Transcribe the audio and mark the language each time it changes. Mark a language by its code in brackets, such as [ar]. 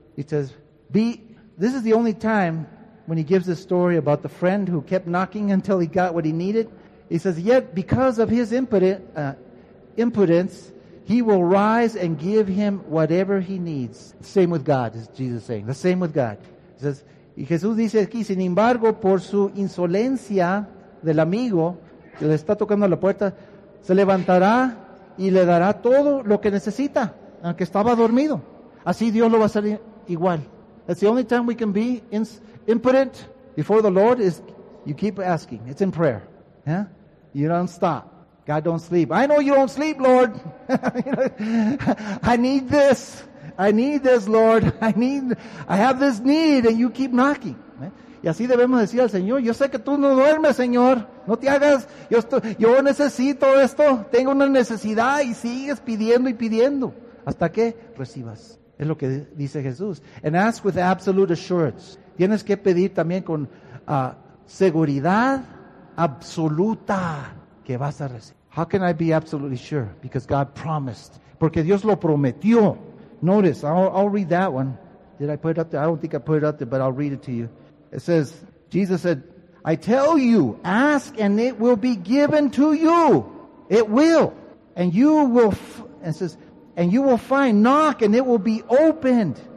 [en] He says, this is the only time when he gives this story about the friend who kept knocking until he got what he needed. He says, yet because of his impotence, he will rise and give him whatever he needs. Same with God, is Jesus saying. The same with God. He says, [es] y Jesús dice aquí, sin embargo, por su insolencia del amigo que le está tocando la puerta, se levantará y le dará todo lo que necesita, aunque estaba dormido. Así Dios lo va a hacer igual. [en] That's the only time we can be impotent before the Lord is you keep asking. It's in prayer. Yeah? You don't stop. God don't sleep. I know you don't sleep, Lord. I need this. I need this, Lord. I have this need, and you keep knocking. ¿Eh? [es] Y así debemos decir al Señor, yo sé que tú no duermes, Señor. No te hagas, yo necesito esto. Tengo una necesidad y sigues pidiendo y pidiendo. Hasta que recibas. Es lo que dice Jesús. [en] And ask with absolute assurance. [es] Tienes que pedir también con seguridad absoluta que vas a recibir. [en] How can I be absolutely sure? Because God promised. [es] Porque Dios lo prometió. [en] Notice, I'll read that one. Did I put it up there? I don't think I put it up there, but I'll read it to you. It says, Jesus said, I tell you, ask and it will be given to you. It will. And you will, and you will find, knock and it will be opened.